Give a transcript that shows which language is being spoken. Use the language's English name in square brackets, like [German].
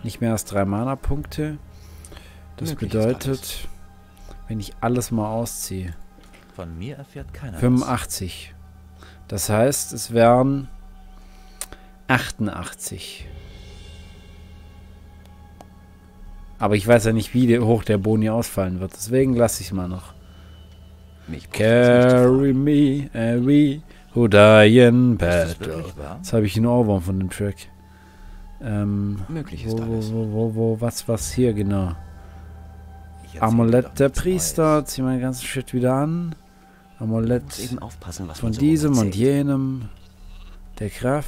[German] Nicht mehr als 3 Mana-Punkte. Das bedeutet, wenn ich alles mal ausziehe, von mir erfährt keiner 85. Das heißt, es wären 88. Aber ich weiß ja nicht, wie hoch der Boni ausfallen wird. Deswegen lasse ich es mal noch. [English] Carry me every who die in battle. [German] Ist das wirklich wahr? Jetzt habe ich einen Ohrwurm von dem Track. Möglich ist was hier genau? Amulett der Priester, zieh mein ganzes Shit wieder an. Amulett eben aufpassen, was von diesem und jenem. Der Kraft.